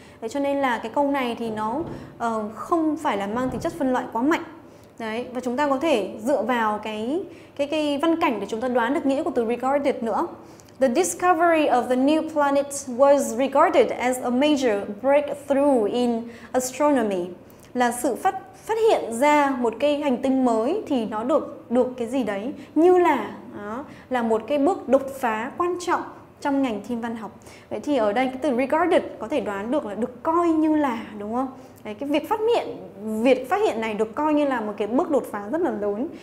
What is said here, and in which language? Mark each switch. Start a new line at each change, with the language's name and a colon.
Vietnamese: Đấy, cho nên là cái câu này thì nó không phải là mang tính chất phân loại quá mạnh. Đấy, và chúng ta có thể dựa vào cái văn cảnh để chúng ta đoán được nghĩa của từ regarded nữa.
English: The discovery of the new planet was regarded as a major breakthrough in astronomy.
Vietnamese: Là sự phát hiện ra một cái hành tinh mới thì nó được cái gì đấy như là đó, là một cái bước đột phá quan trọng trong ngành thiên văn học. Vậy thì ở đây cái từ regarded có thể đoán được là được coi như là, đúng không? Đấy, cái việc phát hiện này được coi như là một cái bước đột phá rất là lớn.